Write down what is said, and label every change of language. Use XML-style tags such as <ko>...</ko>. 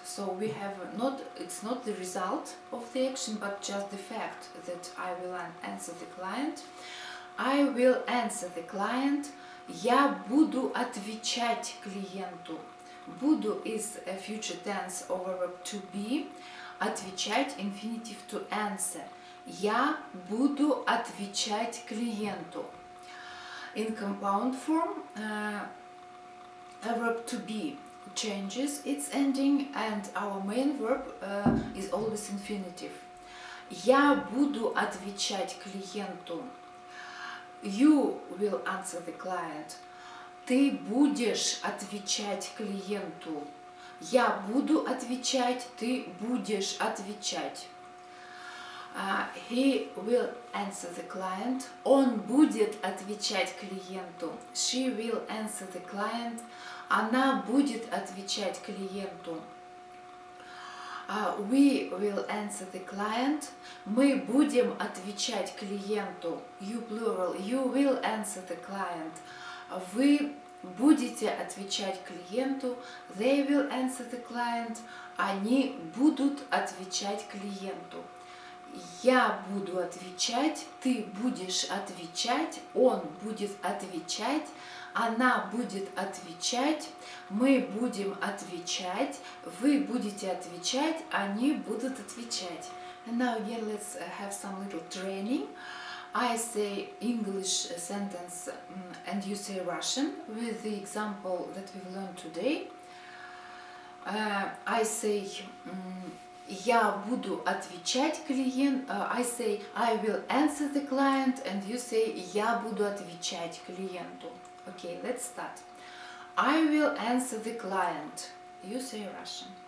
<en>So we have not, it's not the result of the action, but just the fact that I will answer the client. I will answer the client.</en> <ru>Я буду отвечать клиенту.</ru> <en>Буду is a future tense of a verb to be. Отвечать, infinitive, to answer.</en> <ru>Я буду отвечать клиенту.</ru> <en>In compound form, a verb to be changes its ending and our main verb is always infinitive.</en> <ru>Я буду отвечать клиенту.</ru> <en>You will answer the client.</en> <ru>Ты будешь отвечать клиенту. Я буду отвечать, ты будешь отвечать.</ru> <en>He will answer the client.</en> <ru>Он будет отвечать клиенту.</ru> <en>She will answer the client.</en> <ru>Она будет отвечать клиенту.</ru> <en>We will answer the client.</en> <ru>Мы будем отвечать клиенту.</ru> <en>You plural. You will answer the client.</en> <ru>Вы будете отвечать клиенту.</ru> <en>They will answer the client.</en> <ru>Они будут отвечать клиенту. Я буду отвечать, ты будешь отвечать, он будет отвечать, она будет отвечать, мы будем отвечать, вы будете отвечать, они будут отвечать.</ru> <en>And now again, let's have some little training. I say English sentence and you say Russian with the example that we've learned today. I say</en> <ru>я буду отвечать клиент.</ru> <en>I say I will answer the client and you say</en> <ru>я буду отвечать клиенту.</ru> <en>Okay, let's start. I will answer the client. You say Russian.</en>